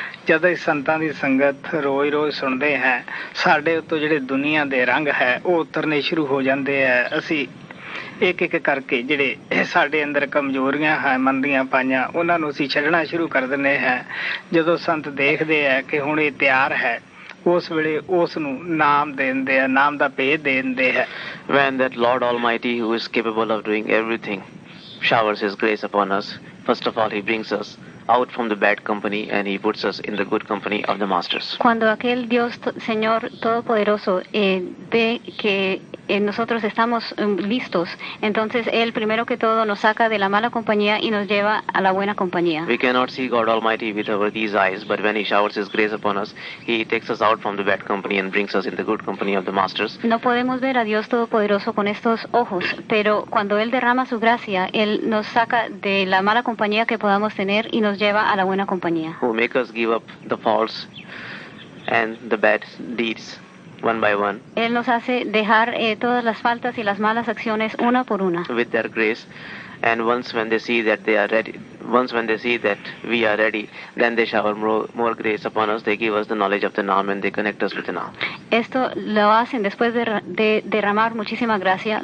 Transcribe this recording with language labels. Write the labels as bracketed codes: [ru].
[pa] ਜਦ ਅਸੀਂ ਸੰਤਾਂ ਦੀ ਸੰਗਤ ਰੋਜ਼ ਰੋਜ਼ ਸੁਣਦੇ ਹਾਂ, ਸਾਡੇ ਉੱਤੋਂ ਜਿਹੜੇ ਦੁਨੀਆਂ ਦੇ ਰੰਗ ਹੈ ਉਹ ਉਤਰਨੇ ਸ਼ੁਰੂ ਹੋ ਜਾਂਦੇ ਹੈ। ਅਸੀਂ ਇੱਕ ਇੱਕ ਕਰਕੇ ਜਿਹੜੇ ਸਾਡੇ ਅੰਦਰ ਕਮਜ਼ੋਰੀਆਂ ਹੈ, ਮੰਦੀਆਂ ਪਾਈਆਂ, ਉਹਨਾਂ ਨੂੰ ਅਸੀਂ ਛੱਡਣਾ ਸ਼ੁਰੂ ਕਰ ਦਿੰਦੇ ਹਾਂ। ਜਦੋਂ ਸੰਤ ਦੇਖਦੇ ਹੈ ਕਿ ਹੁਣ ਇਹ ਤਿਆਰ ਹੈ, ਉਸ ਵੇਲੇ ਉਸ ਨੂੰ ਨਾਮ ਦੇ ਦਿੰਦੇ ਹੈ, ਨਾਮ ਦਾ ਭੇਦ ਦੇ ਦਿੰਦੇ ਹੈ। [en] When that Lord Almighty who is capable of doing everything showers his grace upon us, first of all he brings us out from the bad company and he puts us in the good company of the masters. [es] Cuando aquel Dios Señor Todopoderoso ve que nosotros estamos listos, entonces él primero que todo nos saca de la mala compañía y nos lleva a la buena compañía. [en] We cannot see God Almighty with our these eyes, but when he showers his grace upon us, he takes us out from the bad company and brings us in the good company of the masters. [es] No podemos ver a Dios Todopoderoso con estos ojos, pero cuando él derrama su gracia, él nos saca de la mala compañía que podamos tener y nos lleva a la buena compañía. [en] Who make us give up the faults and the bad deeds one by one. [es] Él nos hace dejar todas las faltas y las malas acciones una por una. [en] With their grace, and once when they see that they are ready, once when they see that we are ready, then they shower more grace upon us. They give us the knowledge of the Naam and they connect us with the Naam. [es] Esto lo hacen después de derramar muchísima gracia.